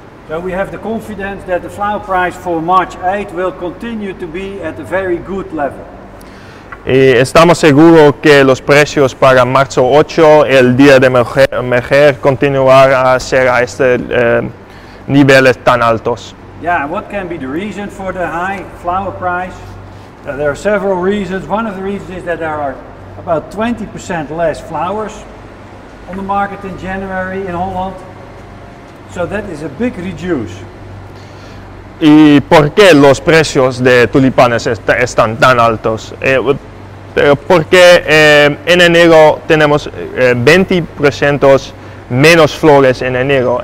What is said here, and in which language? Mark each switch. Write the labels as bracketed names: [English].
[English] So we have the confidence that the flower price for March 8 will continue to be at a very good level. [Spanish] Y estamos seguros que los precios para marzo 8, el día de mujer, continuar a ser a este niveles tan altos. [English] Yeah, what can be the reason for the high flower price? There are several reasons. One of the reasons is that there are about 20% less flowers on the market in January in Holland. So that is a big reduce. [Spanish] ¿Y por qué los precios de tulipanes están tan altos? Porque en enero tenemos 20% menos flores en enero.